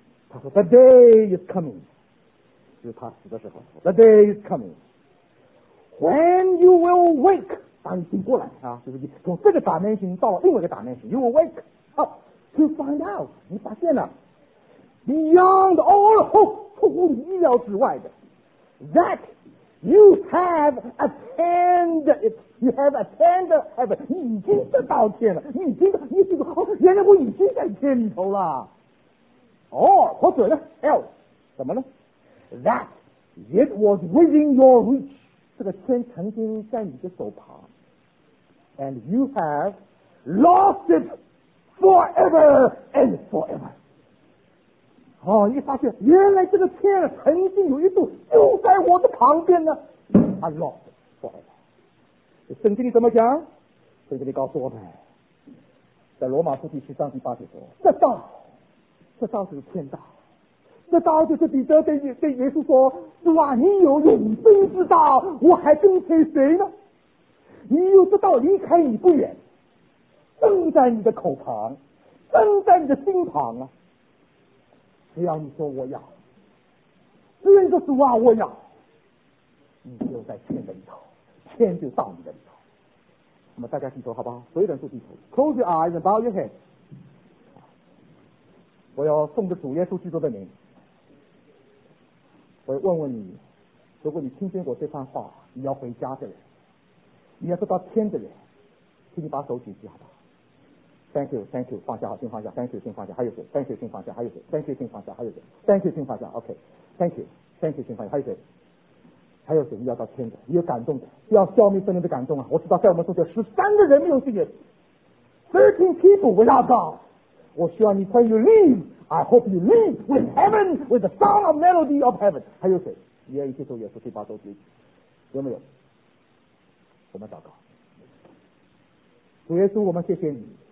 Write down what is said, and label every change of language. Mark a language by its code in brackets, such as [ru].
[zh] 他说 [en] The day is coming， [zh] 就是他死的时候 [en] The day is coming When you will wake， [zh] 当你醒过来啊，就是你从这个打面醒到另外一个打面醒， [en] You will wake up to find out， [zh] 你发现了 [en] Beyond all hope， [zh] 出乎你意料之外的 [en] That you have attained itYou have attained heaven， [zh] 你已经得到天了，你已经得到天了，原来我已经在天头了。哦，或者呢 [en] ，else， [zh] 怎么呢 [en] ？That it was within your reach， 这个天曾经在你的手旁 ，and you have lost it forever and forever。 [zh] 哦，你发现原来这个天曾经有一度就在我的旁边呢 ， [en] I lost it forever。 [zh] 圣经里怎么讲？圣经里告诉我们，在罗马书第十章第八节说，这道，这道就是天道，这道就是彼得对耶稣说，主啊，你有永生之道，我还跟随谁呢？你有这道离开你不远，正在你的口旁，正在你的心旁啊。只要你说我要，只要你说主啊我要，你就在天的里头，天就到你的里头。那么大家记住好不好？所有人都记住 ， [en] Close your eyes and bow your head。 [zh] 我要奉着主耶稣基督的名，我要问问你，如果你听见我这番话，你要回家的人，你要得到天的人，请你把手举起好吧。 [en] Thank you, thank you, [zh] 放下，先放下。 [en] Thank you, [zh] 先放下。还有谁 ？ [en] Thank you, [zh] 先放下。还有谁 ？Thank you, 先放下。还有谁 ？Thank you, 先放下。 [en] OK, thank you, thank you, [zh] 先放下。还有谁？还有谁？你要到天的，你有感动的，要消灭圣灵的感动啊！我知道，在我们中间13个人没有信耶稣 ， [en] 13 people without God。 [zh] 我需要你 [en] ，When you leave, I hope you leave with heaven, with the sound of melody of heaven。 [zh] 还有谁？你愿意接受耶稣，可以把手举起，有没有？我们祷告，主耶稣，我们谢谢你。